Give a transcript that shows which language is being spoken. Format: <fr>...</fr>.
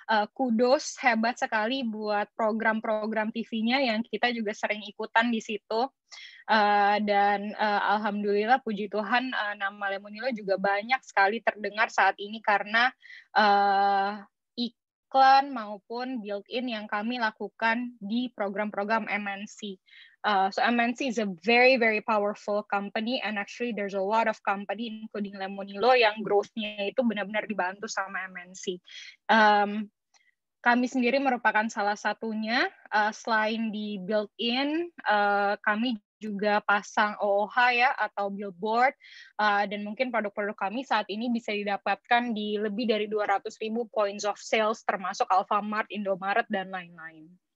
<id>Kudos, hebat sekali buat program-program TV-nya yang kita juga sering ikutan di situ. Dan alhamdulillah, puji Tuhan, nama Lemonilo juga banyak sekali terdengar saat ini karena iklan maupun built-in yang kami lakukan di program-program MNC.</id> <en>So MNC is a very, very powerful company, and actually there's a lot of company, including Lemonilo,</en> <id>yang growth-nya itu benar-benar dibantu sama MNC. Kami sendiri merupakan salah satunya, selain di built-in, kami juga pasang OOH ya, atau billboard, dan mungkin produk-produk kami saat ini bisa didapatkan di lebih dari 200 ribu points of sales, termasuk Alfamart, Indomaret, dan lain-lain.</id>